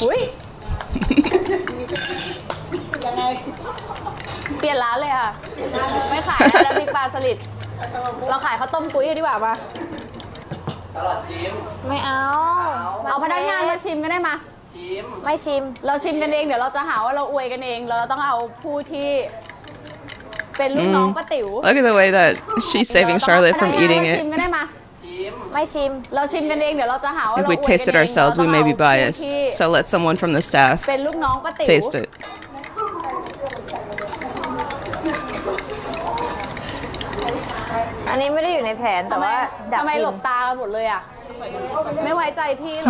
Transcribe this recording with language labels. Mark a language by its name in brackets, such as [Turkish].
[Thai] อุ้ยเปลี่ยนร้านเลยอ่ะไม่ขายแล้วมีปลาสลิดเราขายข้าวต้มกุ้ยดีกว่ามา สลัดชิม ไม่เอา เอาพนักงานมาชิมก็ได้มา ไม่ชิม เราชิมกันเองเดี๋ยวเราจะหาว่าเราอวยกันเองเราต้องเอาผู้ที่เป็นลูกน้องป้าติ๋ว [English] Look at the way that she's saving Charlotte from eating it [Thai] ชิมกันได้มั้ย ชิ ม ไม่ชิม เราชิมกันเองเดี๋ยวเราจะหาว่าเราอวยกันเอง [English] If we tasted ourselves we may be biased so let someone from the staff [Thai] เป็นลูกน้องป้าติ๋ว [English] taste it [Thai] อันนี้ไม่ได้อยู่ในแผนแต่ว่า ทำไมหลบตากันหมดเลยอ่ะไม่ไว้ใจพี่หรอ